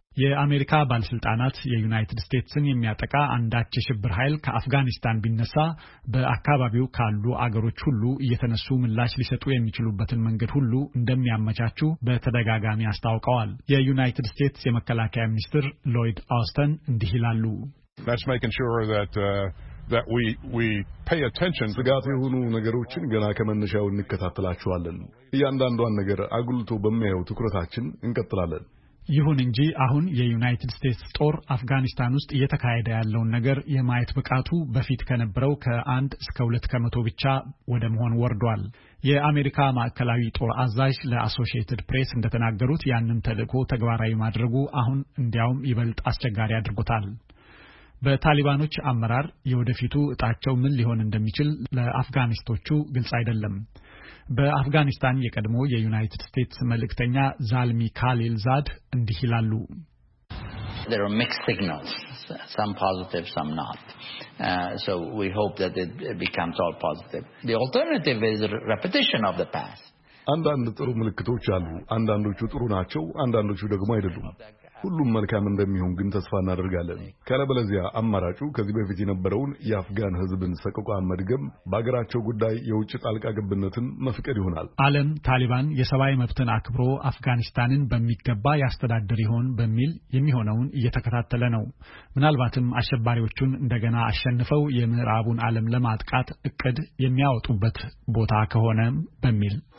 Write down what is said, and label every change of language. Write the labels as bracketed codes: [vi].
[am] የአሜሪካ ባለስልጣናት የዩናይትድ ስቴትስን የሚያጠቃ አንዳች ሽብር ኃይል ከአፍጋኒስታን ቢነሳ በአካባቢው ካሉ አገሮች ሁሉ እየተነሱ ምላሽ ሊሰጡ የሚችሉበትን መንገድ ሁሉ እንደሚያመቻቹ በተደጋጋሚ አስታውቀዋል። የዩናይትድ ስቴትስ የመከላከያ ሚኒስትር ሎይድ አውስተን እንዲህ ይላሉ። [en] That's making sure that we pay attention to [am] ጋር የሆኑ ነገሮችን ገና ከመነሻው እንከታተላቸዋለን። እያንዳንዱን ነገር አግልቶ በሚያዩ ትኩረታችን እንከታተላለን። ይሁን እንጂ አሁን የዩናይትድ ስቴትስ ጦር አፍጋኒስታን ውስጥ እየተካሄደ ያለውን ነገር የማየት ብቃቱ በፊት ከነበረው ከአንድ እስከ 2% ብቻ ወደ መሆን ወርዷል። የአሜሪካ ማዕከላዊ ጦር አዛዥ ለአሶሺየትድ ፕሬስ እንደተናገሩት ያንን ተልእኮ ተግባራዊ ማድረጉ አሁን እንዲያውም ይበልጥ አስቸጋሪ አድርጎታል። በታሊባኖች አመራር የወደፊቱ እጣቸው ምን ሊሆን እንደሚችል ለአፍጋኒስቶቹ ግልጽ አይደለም። በአፍጋኒስታን የቀድሞ የዩናይትድ ስቴትስ መልእክተኛ ዛልሚ ካሊል ዛድ እንዲህ ይላሉ። [en] There are mixed signals, some positive, some not. So we hope that it becomes all positive. The alternative is repetition of the past. [am] አንዳንድ ጥሩ ምልክቶች አሉ፣ አንዳንዶቹ ጥሩ ናቸው፣ አንዳንዶቹ ደግሞ አይደሉም። ሁሉም መልካም እንደሚሆን ግን ተስፋ እናደርጋለን። ካለበለዚያ አማራጩ ከዚህ በፊት የነበረውን የአፍጋን ህዝብን ሰቆቃ መድገም፣ በአገራቸው ጉዳይ የውጭ ጣልቃ ገብነትን መፍቀድ ይሆናል። ዓለም ታሊባን የሰብአዊ መብትን አክብሮ አፍጋኒስታንን በሚገባ ያስተዳድር ይሆን በሚል የሚሆነውን እየተከታተለ ነው። ምናልባትም አሸባሪዎቹን እንደገና አሸንፈው የምዕራቡን ዓለም ለማጥቃት እቅድ የሚያወጡበት ቦታ ከሆነ በሚል።